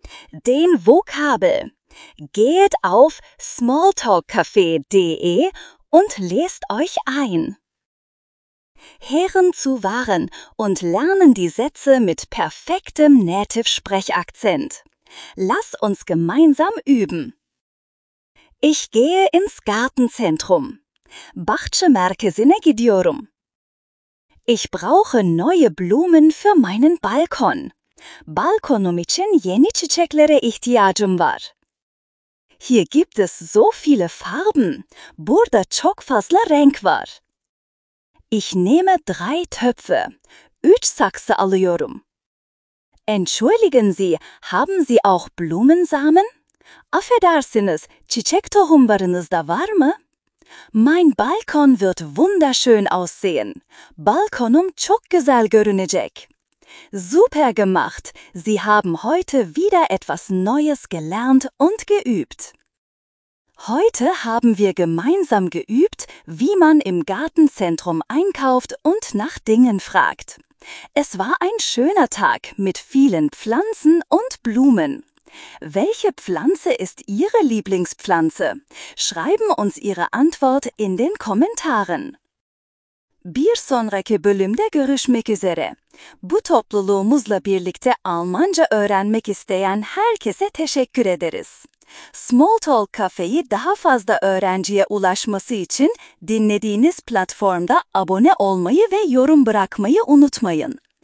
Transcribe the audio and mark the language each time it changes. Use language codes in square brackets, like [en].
[de] Den Vokabel. Geht auf smalltalkcafe.de und lest euch ein. Herren zu Waren und lernen die Sätze mit perfektem Native-Sprechakzent. Lass uns gemeinsam üben. Ich gehe ins Gartenzentrum. [tr] Bahçe merkezine gidiyorum. [de] Ich brauche neue Blumen für meinen Balkon. [tr] Balkonum için yeni çiçeklere ihtiyacım var. [de] Hier gibt es so viele Farben. [tr] Burada çok fazla renk var. [de] Ich nehme drei Töpfe. [tr] Üç saksı alıyorum. [de] Entschuldigen Sie, haben Sie auch Blumensamen? [tr] Affedersiniz, çiçek tohumlarınız da var mı? [de] Mein Balkon wird wunderschön aussehen. [tr] Balkonum çok güzel görünecek. [de] Super gemacht! Sie haben heute wieder etwas Neues gelernt und geübt. Heute haben wir gemeinsam geübt, wie man im Gartenzentrum einkauft und nach Dingen fragt. Es war ein schöner Tag mit vielen Pflanzen und Blumen. Welche Pflanze ist Ihre Lieblingspflanze? Schreiben uns Ihre Antwort in den Kommentaren. [tr] Bir sonraki bölümde görüşmek üzere. Bu topluluğumuzla birlikte Almanca öğrenmek isteyen herkese teşekkür ederiz. Smalltalk Cafe'yi daha fazla öğrenciye ulaşması için dinlediğiniz platformda abone olmayı ve yorum bırakmayı unutmayın.